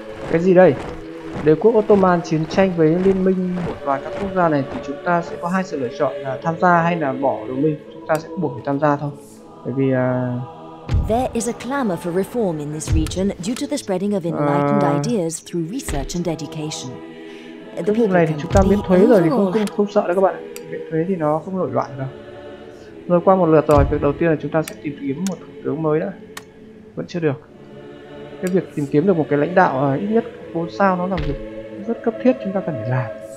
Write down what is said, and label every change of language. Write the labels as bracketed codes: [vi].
[vi] Cái gì đây? Đế quốc Ottoman chiến tranh với liên minh một vài các quốc gia này thì chúng ta sẽ có hai sự lựa chọn là tham gia hay là bỏ đồng minh. Ta sẽ buộc phải tham gia thôi. Bởi vì [en] there is a clamor for reform in this region due to the spreading of enlightened ideas through research and education. [vi] The vùng này thì chúng ta miễn thuế rồi thì không sợ đâu các bạn. Miễn thuế thì nó không nổi loạn đâu. Rồi qua một lượt rồi, việc đầu tiên là chúng ta sẽ tìm kiếm một thủ tướng mới đã. Vẫn chưa được. Cái việc tìm kiếm được một cái lãnh đạo ít nhất 4 sao nó là việc rất cấp thiết chúng ta cần phải làm.